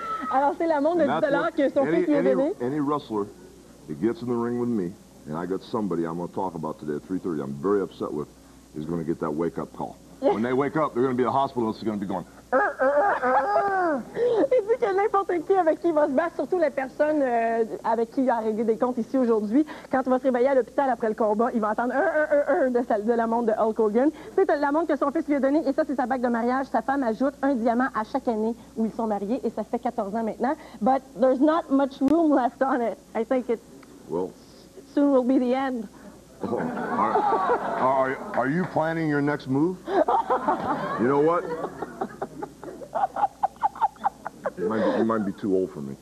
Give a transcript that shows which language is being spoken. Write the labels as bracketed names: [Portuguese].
[French] Alors, c'est la montre de 10$ que son fils lui a donné. [English] Any wrestler that gets in the ring with me, and I got somebody I'm going to talk about today at 3:30, I'm very upset with, is going to get that wake-up call. When they wake up, they're going to be the hospitalist. They're going to be going. [French] Il dit que n'importe qui avec qui il va se battre, surtout la personne avec qui il a réglé des comptes ici aujourd'hui, quand il va se réveiller à l'hôpital après le combat, il va entendre de la montre de Hulk Hogan. C'est la montre que son fils lui a donnée et ça, c'est sa bague de mariage. Sa femme ajoute un diamant à chaque année où ils sont mariés et ça fait 14 ans maintenant. [English] But there's not much room left on it. I think it soon will be the end. Are you planning your next move? You know what? You might be too old for me.